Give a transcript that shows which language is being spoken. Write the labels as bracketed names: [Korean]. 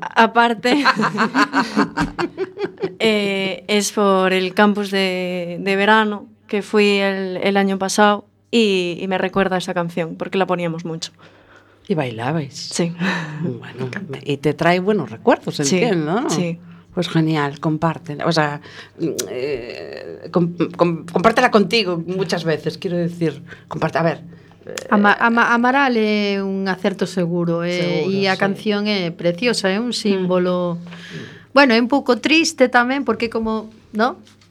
[Spanish] Aparte, es por el campus de verano que fui el año pasado y me recuerda a esa canción, porque la poníamos mucho. ¿Y bailabais? Sí. Bueno, y te trae buenos recuerdos, entiendo, sí, ¿no? Sí. Pues genial, compártela. O sea, compártela contigo muchas veces, quiero decir. Comparte, a ver. [Galician] Amaral é un acerto seguro, e a canción é preciosa, é un símbolo. Bueno, é un pouco triste tamén porque como, ¿no?